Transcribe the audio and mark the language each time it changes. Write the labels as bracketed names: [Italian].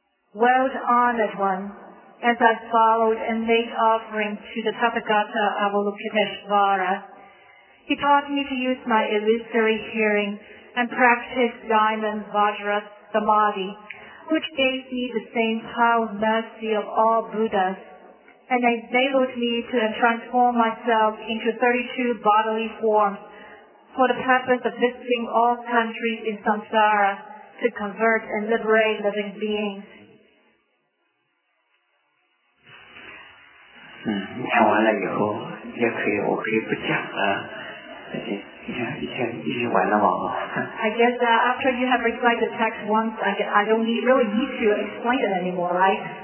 [English] Well honored one, as I followed and made offering to the Tathagata Avalokiteshvara, he taught me to use my illusory hearing and practice diamond Vajra Samadhi, which gave me the same power and mercy of all Buddhas, and enabled me to transform myself into 32 bodily forms for the purpose of visiting all countries in samsara to convert and liberate living beings. [Chinese] 看完了以后也可以不讲了。 [English] I guess that after you have recited the text once, I don't really need to explain it anymore, right?